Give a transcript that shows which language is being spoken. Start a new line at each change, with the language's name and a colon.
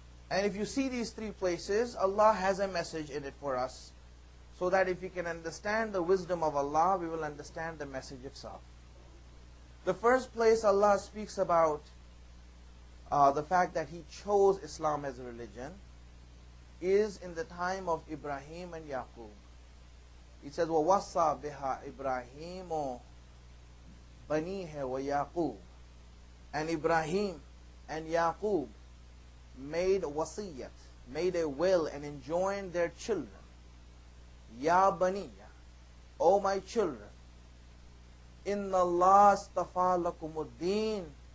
English: And if you see these three places, Allah has a message in it for us, so that if we can understand the wisdom of Allah, we will understand the message itself. The first place Allah speaks about the fact that He chose Islam as a religion is in the time of Ibrahim and Yaqub. He says, وَوَصَى بِهَا إِبْرَاهِيمُ بَنِيهِ وَيَاقُوبُ. And Ibrahim and Yaqub made wasiyat, made a will and enjoined their children.
Arabic: Ya baniya,
English: O my children,
Arabic: إِنَّ اللَّهَ اصْطَفَى لَكُمُ الدِّينَ.